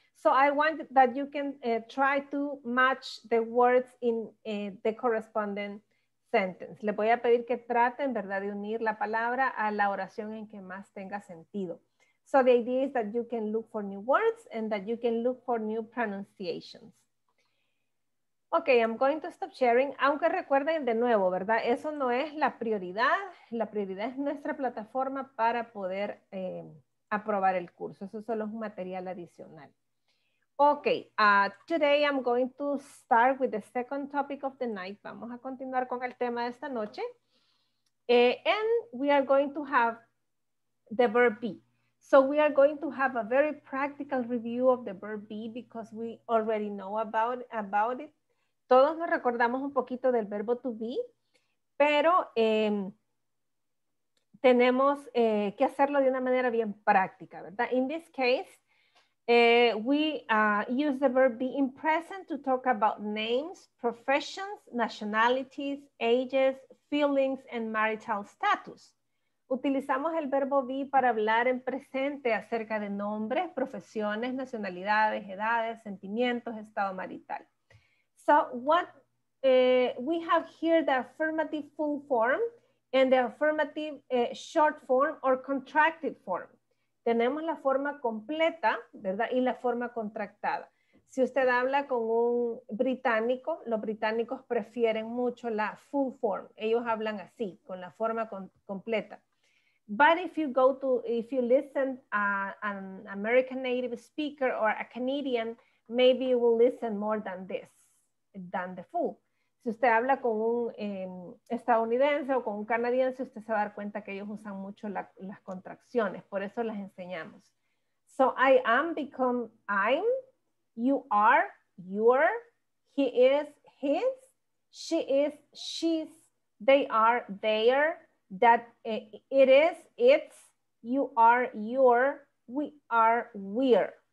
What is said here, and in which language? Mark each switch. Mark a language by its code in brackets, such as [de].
[en] So I want that you can try to match the words in the corresponding sentence. [es] Le voy a pedir que traten, ¿verdad?, de unir la palabra a la oración en que más tenga sentido. [en] So the idea is that you can look for new words and that you can look for new pronunciations. Ok, I'm going to stop sharing, [es] aunque recuerden de nuevo, ¿verdad? Eso no es la prioridad es nuestra plataforma para poder aprobar el curso, eso solo es un material adicional. [en] Ok, today I'm going to start with the second topic of the night, [es] vamos a continuar con el tema de esta noche. [en] And we are going to have the verb be. So we are going to have a very practical review of the verb be because we already know about it. [es] Todos nos recordamos un poquito del verbo to be, pero tenemos que hacerlo de una manera bien práctica, ¿verdad? [en] In this case, we use the verb be in present to talk about names, professions, nationalities, ages, feelings, and marital status. [es] Utilizamos el verbo be para hablar en presente acerca de nombres, profesiones, nacionalidades, edades, sentimientos, estado marital. [en] So what we have here, the affirmative full form and the affirmative short form or contracted form. [es] Tenemos la forma completa, ¿verdad? Y la forma contractada. Si usted habla con un británico, los británicos prefieren mucho la full form. Ellos hablan así, con la forma completa. [en] But if you listen an American native speaker or a Canadian, maybe you will listen more than this. Than the full. [es] Si usted habla con un estadounidense o con un canadiense, usted se va a dar cuenta que ellos usan mucho las contracciones, por eso las enseñamos. [en] So I am become I'm, you are, you're, he is, his, she is, she's, they are, they're, that it is, it's, you are, you're, we are, we're.